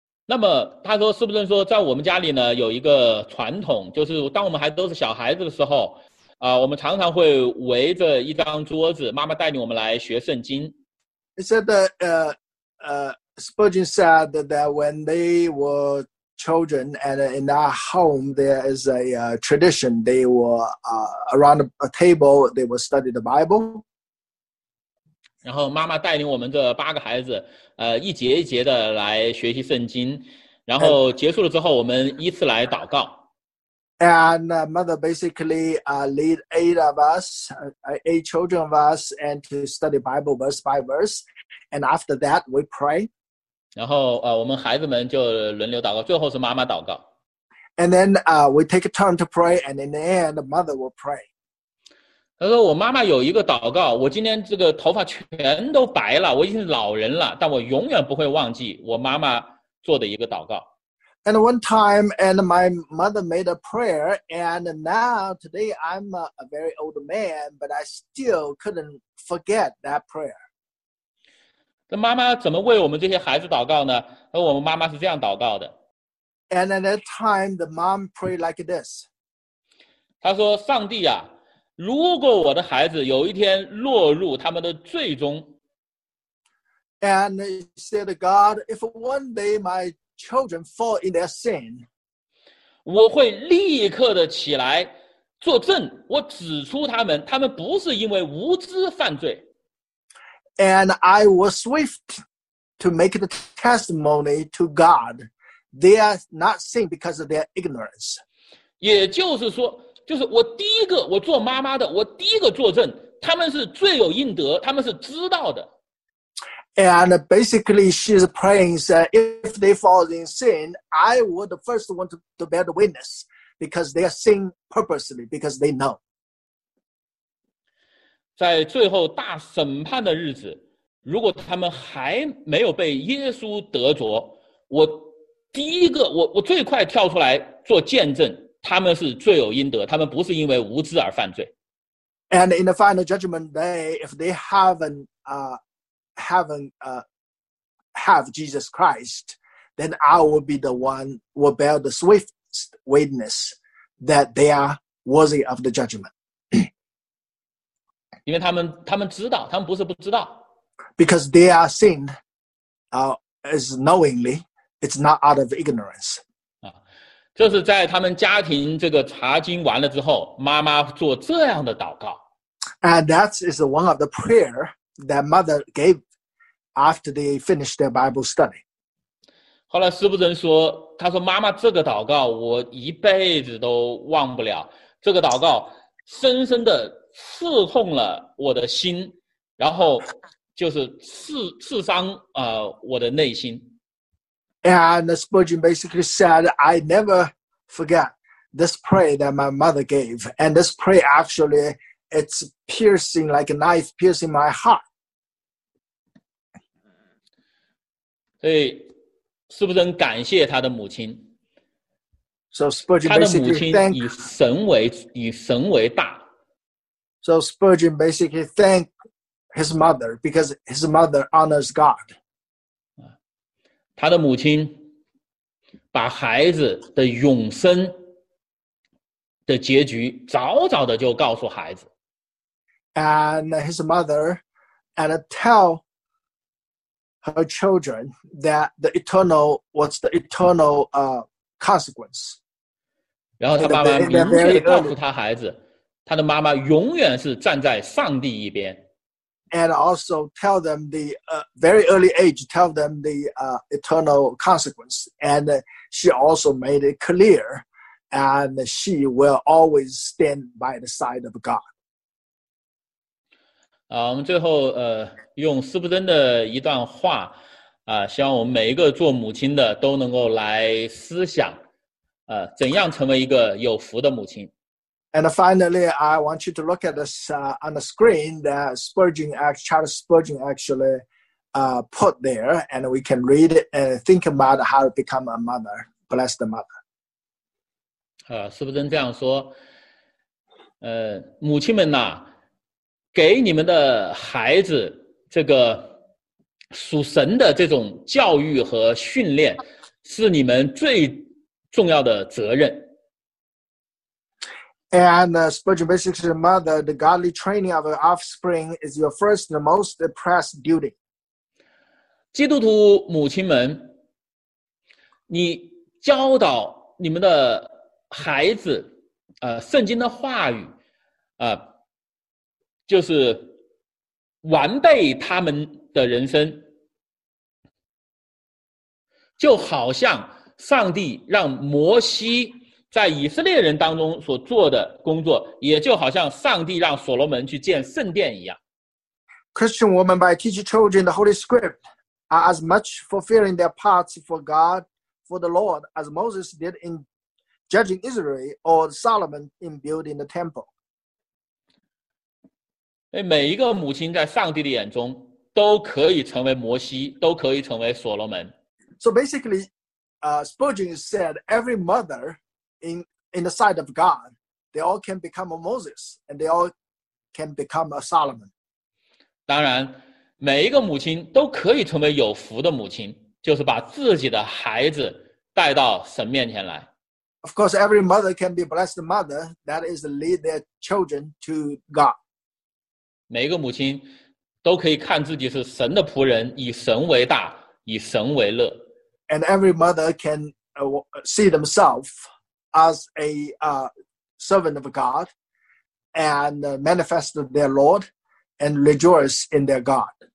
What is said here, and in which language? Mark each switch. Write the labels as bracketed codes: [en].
[zh] 那么他说，斯布顿说，在我们家里呢有一个传统，就是当我们还都是小孩子的时候。我们常常会围着一张桌子，妈妈带领我们来学圣经。 [en] He said that, Spurgeon said that when they were children and in our home there is a tradition, they were around a table, they would study the Bible. [zh] 然后妈妈带领我们这八个孩子，一节一节的来学习圣经，然后结束了之后，我们依次来祷告。 [en] And mother basically lead eight children of us and to study Bible verse by verse. And after that, we pray. [zh] 然后我们孩子们就轮流祷告，最后是妈妈祷告。 [en] And then we take a turn to pray, and in the end, mother will pray. [zh] 他说我妈妈有一个祷告，我今天这个头发全都白了，我已经是老人了，但我永远不会忘记我妈妈做的一个祷告。 [en] And one time, and my mother made a prayer, and now today I'm a very old man, but I still couldn't forget that prayer. [zh] 那妈妈怎么为我们这些孩子祷告呢？而我们妈妈是这样祷告的。 [en] And at that time, the mom prayed like this. [zh] 她说：“上帝啊，如果我的孩子有一天落入他们的罪中。” [en] And said, God, if one day my children fall in their sin, [zh] 我会立刻的起来作证，我指出他们，他们不是因为无知犯罪。 [en] And I was swift to make the testimony to God, they are not sin because of their ignorance. [zh] 也就是说，就是我第一个，我做妈妈的，我第一个作证，他们是罪有应得，他们是知道的。 [en] And basically, she's praying that if they fall in sin, I would the first one to bear the witness because they are sin purposely, because they know. [zh] 在最后大审判的日子，如果他们还没有被耶稣得着，我第一个，我最快跳出来做见证，他们是罪有应得，他们不是因为无知而犯罪。 [en] And in the final judgment day, if they haven't have Jesus Christ, then I will be the one will bear the swift witness that they are worthy of the judgment. [zh] 因为他们知道，他们不是不知道。 [en] Because they are sin, is knowingly, it's not out of ignorance. [zh] 这是在他们家庭这个查经完了之后，妈妈做这样的祷告。 [en] And that is one of the prayer that mother gave. After they finish their Bible study. [zh] 后来斯布顿说，他说妈妈这个祷告我一辈子都忘不了，这个祷告深深的刺痛了我的心，然后就是刺伤我的内心。 [en] And Spurgeon basically said, I never forget this prayer that my mother gave. And this prayer actually, it's piercing like a knife piercing my heart. [zh] 所以斯布顿感谢他的母亲。 [en] So Spurgeon basically thanked [zh] 他的母亲以神为大。 [en] So Spurgeon basically thanked his mother because his mother honors God. [zh] 他的母亲把孩子的永生的结局早早的就告诉孩子。 [en] And his mother and tell her children that the eternal was the eternal consequence. [zh] 然后他爸爸明确地告诉他孩子，他的妈妈永远是站在上帝一边。 [en] And also tell them the very early age, tell them the eternal consequence. And she also made it clear, and she will always stand by the side of God. [zh] 我们最后用斯布登的一段话希望我们每一个做母亲的都能够来思想怎样成为一个有福的母亲。 [en] And finally, I want you to look at this on the screen that Spurgeon, Charles Spurgeon actually put there, and we can read it and think about how to become a mother, bless the mother. [zh] 斯布登这样说，母亲们呐，给你们的孩子这个属神的这种教育和训练，是你们最重要的责任。 [en] And Spurgeon basically said, Mother, the godly training of your offspring is your first and most pressing duty. [zh] 基督徒母亲们，你教导你们的孩子圣经的话语就是完备他们的人生，就好像上帝让摩西在以色列人当中所做的工作，也就好像上帝让所罗门去建圣殿一样。 [en] Christian woman, by teaching children the Holy Script, are as much fulfilling their parts for God, for the Lord, as Moses did in judging Israel or Solomon in building the temple. [zh] 每一个母亲在上帝的眼中都可以成为摩西，都可以成为所罗门。 [en] So basically, Spurgeon said every mother. In the sight of God, they all can become a Moses, and they all can become a Solomon. [zh] 当然，每一个母亲都可以成为有福的母亲，就是把自己的孩子带到神面前来。 [en] Of course, every mother can be blessed mother, that is to lead their children to God. [zh] 每一个母亲都可以看自己是神的仆人，以神为大，以神为乐。 [en] And every mother can see themselvesas a servant of God and manifest their Lord and rejoice in their God.